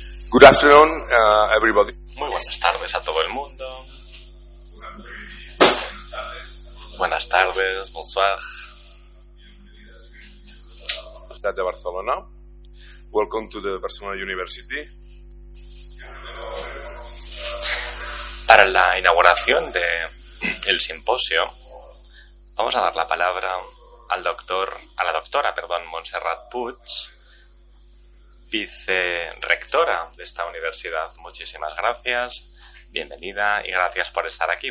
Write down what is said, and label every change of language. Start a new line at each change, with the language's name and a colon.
English: Good afternoon, everybody.
Spanish: Muy buenas tardes a todo el mundo. Buenas tardes,
French: bonsoir.
Spanish: Ciudad de Barcelona.
English: Welcome to the Barcelona University.
Spanish: Para la inauguración de el simposio, vamos a dar la palabra al doctor, a la doctora, perdón, Montserrat Puig, vicerectora de esta universidad. Muchísimas gracias, bienvenida y gracias por estar aquí.